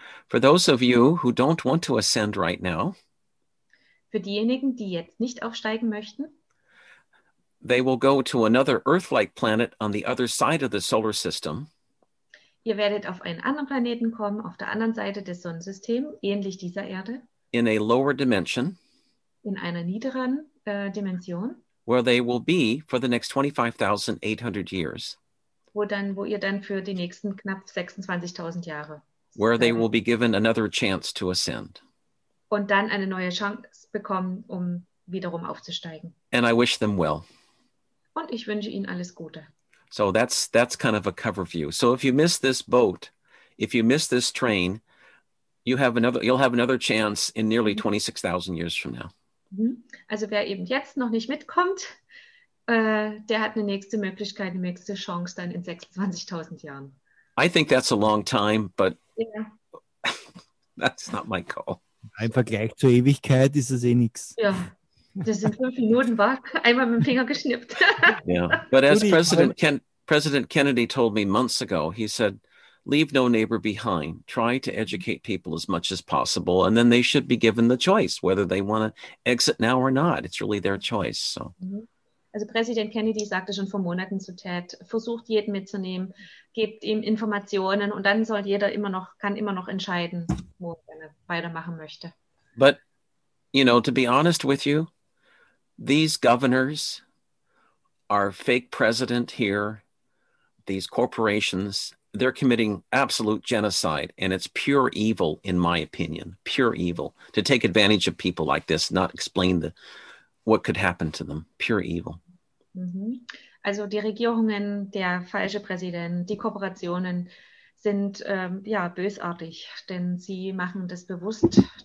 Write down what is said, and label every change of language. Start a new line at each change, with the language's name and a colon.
English: For those of you who don't want to ascend right now,
German: für diejenigen, die jetzt nicht aufsteigen möchten,
English: they will go to another Earth-like planet on the other side of the solar system.
German: Ihr werdet auf einen anderen Planeten kommen, auf der anderen Seite des Sonnensystems, ähnlich dieser Erde.
English: In a lower dimension.
German: In einer niederen Dimension.
English: Where they will be for the next 25,800 years.
German: Wo ihr dann für die nächsten knapp 26,000 Jahre.
English: Where they will be given another chance to ascend.
German: Und dann eine neue Chance bekommen, um wiederum aufzusteigen.
English: And I wish them well.
German: Und ich wünsche ihnen alles Gute.
English: So that's kind of a cover view. So if you miss this boat, if you miss this train, you'll have another chance in nearly 26,000 years from now.
German: Also wer eben jetzt noch nicht mitkommt, der hat eine nächste Möglichkeit, eine nächste Chance dann in 26,000 Jahren.
English: I think that's a long time, but yeah. That's not my call.
German: Im Vergleich zur Ewigkeit ist es eh nichts. Ja, das sind 5 Minuten, war einmal mit dem Finger geschnippt.
English: Yeah, but as President Kennedy told me months ago, he said, leave no neighbor behind. Try to educate people as much as possible, and then they should be given the choice whether they want to exit now or not. It's really their choice. So.
German: Also Präsident Kennedy sagte schon vor Monaten zu Ted: Versucht jeden mitzunehmen, gebt ihm Informationen, und dann soll jeder immer noch entscheiden, wo er gerne weitermachen möchte.
English: But you know, to be honest with you, these governors, our fake president here, these corporations. They're committing absolute genocide, and it's pure evil, in my opinion, pure evil, to take advantage of people like this, not explain what could happen to them, pure evil. Mm-hmm.
German: Also die Regierungen, der falsche Präsident, die Korporationen sind bösartig, denn sie machen das bewusst.